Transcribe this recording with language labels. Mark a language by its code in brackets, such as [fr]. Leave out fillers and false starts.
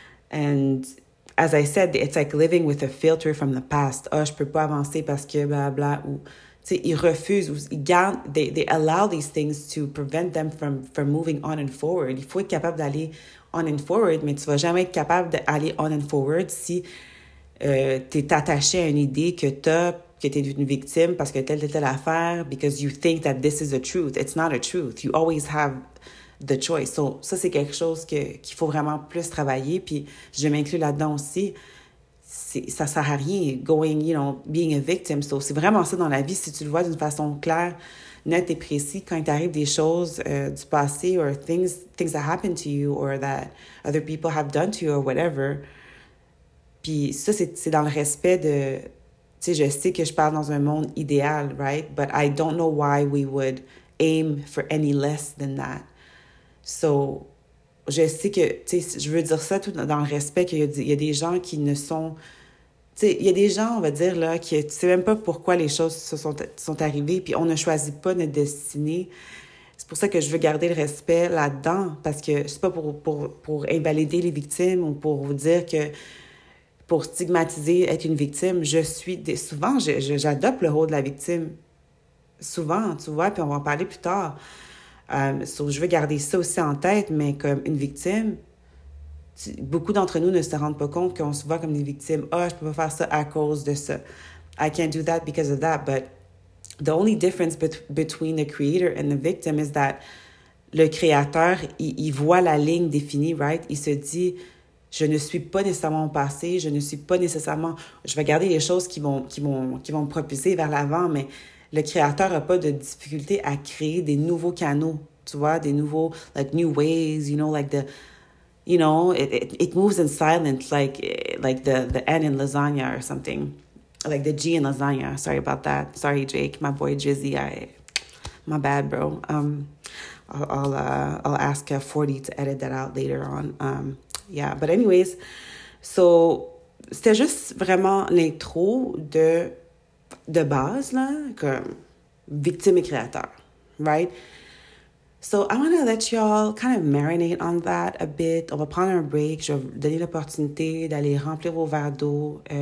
[en] And as I said, it's like living with a filter from the past. [fr] Oh, je peux pas avancer parce que blablabla. Tu sais, ils refusent, ou ils gardent, [en] they allow these things to prevent them from moving on and forward. [fr] Il faut être capable d'aller... [en] on and forward, [fr] mais tu vas jamais être capable d'aller on and forward si t'es attaché à une idée que t'as, que t'es une victime parce que telle affaire, [en] because you think that this is the truth. It's not a truth. You always have the choice. [fr] So, ça, c'est quelque chose qu'il faut vraiment plus travailler, puis je m'inclus là-dedans aussi. Ça sert à rien, [en] going, you know, being a victim. [fr] So, c'est vraiment ça dans la vie, si tu le vois d'une façon claire, net et précis, quand il t'arrive des choses du passé [en] or things that happened to you or that other people have done to you or whatever. [fr] Puis ça, c'est dans le respect de... Tu sais, je sais que je parle dans un monde idéal, right? [en] But I don't know why we would aim for any less than that. [fr] So, je sais que... Tu sais, je veux dire ça tout dans le respect qu'il y a des gens qui ne sont... T'sais, il y a des gens, on va dire, là, qui tu sais même pas pourquoi les choses se sont arrivées, puis on ne choisit pas notre destinée. C'est pour ça que je veux garder le respect là-dedans, parce que c'est pas pour invalider les victimes ou pour vous dire que, pour stigmatiser être une victime, je suis... Souvent, j'adopte le rôle de la victime. Souvent, tu vois, puis on va en parler plus tard. Je veux garder ça aussi en tête, mais comme une victime... Beaucoup d'entre nous ne se rendent pas compte qu'on se voit comme des victimes. « Oh, je peux pas faire ça à cause de ça. »« [en] I can't do that because of that. » But the only difference between the creator and the victim is that [fr] le créateur, il voit la ligne définie, [en] right? [fr] Il se dit « Je ne suis pas nécessairement passé. Je ne suis pas nécessairement... Je vais garder les choses qui vont me propulser vers l'avant. » Mais le créateur n'a pas de difficulté à créer des nouveaux canaux, tu vois? Des nouveaux, [en] like, new ways, you know, like the... You know, it moves in silence, like the N in lasagna or something. Like the G in lasagna. Sorry about that. Sorry, Jake. My boy, Jizzy. My bad, bro. I'll ask 40 to edit that out later on. Yeah, but anyways. [fr] So, c'était juste vraiment l'intro de base, là, comme victime et créateur, right? [en] So, I want to let y'all kind of marinate on that a bit. [fr] On va prendre un break. Je vais vous donner l'opportunité d'aller remplir vos verres d'eau.